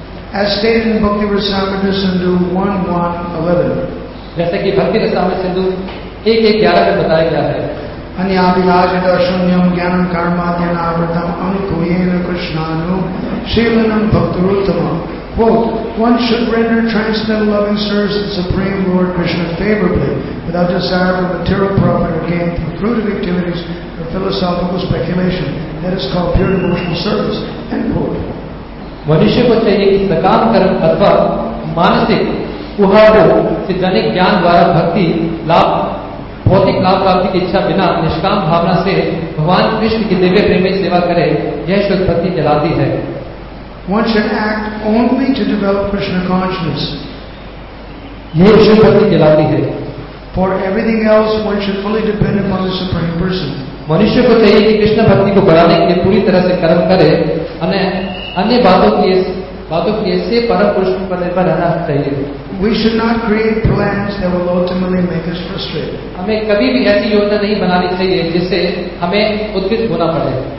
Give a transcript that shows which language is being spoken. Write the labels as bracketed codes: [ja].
[en] As stated in Bhakti Rasamrita Sindhu 1.1.11. [hi] जैसे कि भक्ति रसामृत सिंधु 1.1.11 में बताया गया है. [sa] अन्याभिलाषित शून्यम ज्ञान कर्माद्यनावृतम अनुकूयेन कृष्णानु शीलनम भक्तिरुत्तमम. [en] Quote, one should render transcendental loving service to the Supreme Lord Krishna favorably, without desire for material profit or gain through fruitive activities or philosophical speculation. That is called pure devotional service. End quote. [hi] मनुष्य को चाहिए कि सकाम कर्म अथवा मानसिक कुहाड़ों से जनित ज्ञान द्वारा भक्ति लाभ भौतिक लाभ प्राप्ति की इच्छा बिना निष्काम भावना से भगवान कृष्ण की दिव्य प्रेम में सेवा करे यह शुद्ध भक्ति कहलाती है. [en] One should act only to develop Krishna consciousness. [hi] ये शुद्ध भक्ति कहलाती है. [en] For everything else, one should fully depend upon the Supreme Person. [hi] मनुष्य को चाहिए कि कृष्ण भक्ति को बढ़ाने के लिए पूरी तरह से कर्म करे अने अन्य बातों के से परम पुरुष पर निर्भर रहना चाहिए. [en] We should not create plans that will ultimately make us frustrated. [hi] हमें कभी भी ऐसी योजना नहीं बनानी चाहिए जिससे हमें उद्विग्न होना पड़े.